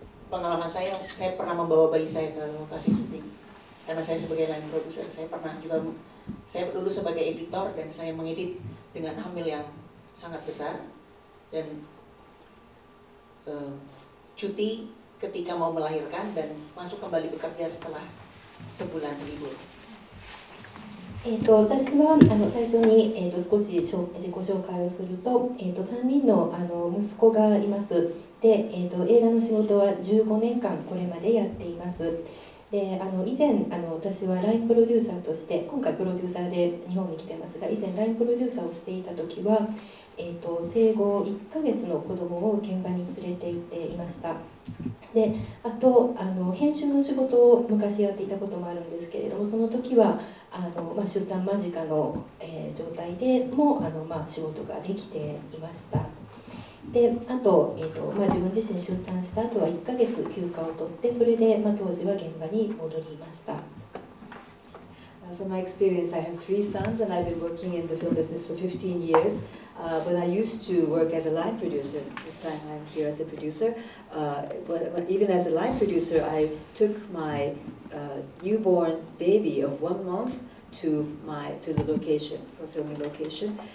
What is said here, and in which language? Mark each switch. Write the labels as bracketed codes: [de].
[id] Pengalaman saya pernah membawa bayi saya ke lokasi syuting. Karena saya sebagai line producer, saya dulu sebagai editor dan saya mengedit dengan hamil yang sangat besar. Dan cuti ketika mau melahirkan dan masuk kembali bekerja setelah sebulan libur. [ja] 私は最初に、少し自己紹介をすると、3人の息子がいます。で、映画の仕事は15年間これまでやっています。で、以前私はラインプロデューサーとして、今回プロデューサーで日本に来てますが、以前ラインプロデューサーをしていた時は、生後1ヶ月の子どもを現場に連れて行っていました。で、あと編集の仕事を昔やっていたこともあるんですけれども、その時は出産間近の、状態でも仕事ができていました。で、あと、自分自身出産した後は1ヶ月休暇を取って、それで、当時は現場に戻りました。 [en] From my experience, I have 3 sons and I've been working in the film business for 15 years. When I used to work as a line producer, this time I'm here as a producer, even as a line producer, I took myNewborn baby of 1 month to the location for filming location.